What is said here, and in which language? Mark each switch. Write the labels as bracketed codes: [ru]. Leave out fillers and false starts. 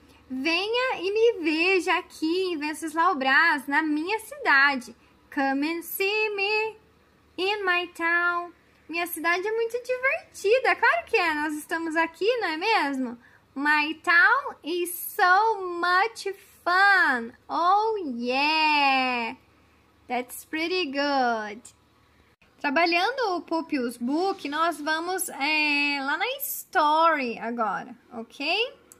[pt] Venha e me veja aqui em Venceslau Brás, na minha cidade. [en] Come and see me in my town. [pt] Minha cidade é muito divertida, claro que é, nós estamos aqui, não é mesmo? [en] My town is so much fun. Oh yeah, that's pretty good. [pt] Trabalhando o Pupils Book, nós vamos lá na story agora, ok?